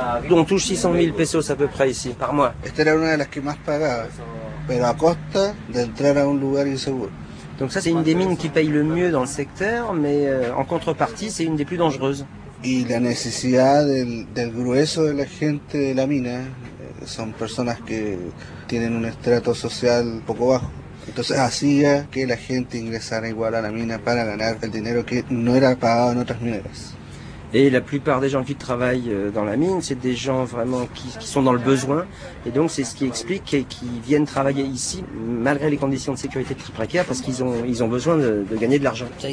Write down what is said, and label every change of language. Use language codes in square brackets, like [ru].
[fr] On touche 600 000 pesos à peu près ici, par mois. [es] Esta era una de las que más pagaba, pero a costa de entrar a un lugar inseguro. [fr] Donc ça, c'est une des mines qui paye le mieux dans le secteur, mais en contrepartie, c'est une des plus dangereuses. [es] Y la necesidad del grueso de la gente de la mina son personas que tienen un estrato social poco bajo. Entonces hacía que la gente ingresara igual a la mina para ganar el dinero que no era pagado en otras mineras. [fr] Et la plupart des gens qui travaillent dans la mine, c'est des gens vraiment qui sont dans le besoin. Et donc, c'est ce qui explique qu'ils viennent travailler ici, malgré les conditions de sécurité très précaires, parce qu'ils ont besoin de gagner de l'argent.